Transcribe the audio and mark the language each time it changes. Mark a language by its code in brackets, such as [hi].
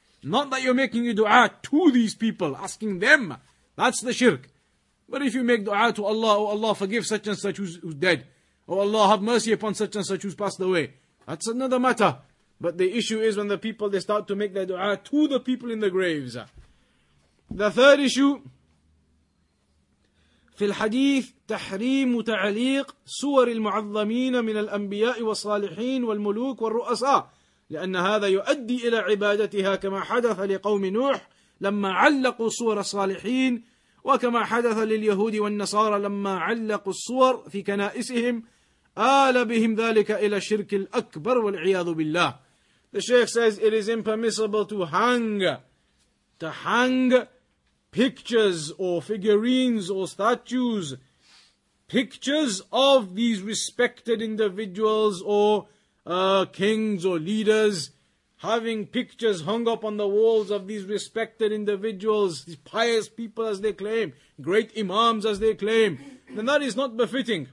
[en] Not that you're making your dua to these people, asking them. That's the shirk. But if you make dua to Allah, oh Allah, forgive such and such who's dead. Oh Allah, have mercy upon such and such who's passed away. That's another matter. But the issue is when the people, they start to make their dua to the people in the graves. The third issue, [ar] في الحديث تحريم تعليق صور المعظمين من الأنبياء والصالحين والملوك والرؤساء لأن هذا يؤدي إلى عبادتها كما حدث لقوم نوح لما علقوا صور الصالحين وكما حدث لليهود والنصارى لما علقوا الصور في كنائسهم آل بهم ذلك إلى الشرك الأكبر والعياذ بالله. [en] The Sheikh says it is impermissible to hang pictures or figurines or statues, pictures of these respected individuals or kings or leaders, having pictures hung up on the walls of these respected individuals, these pious people as they claim, great imams as they claim, then that is not befitting.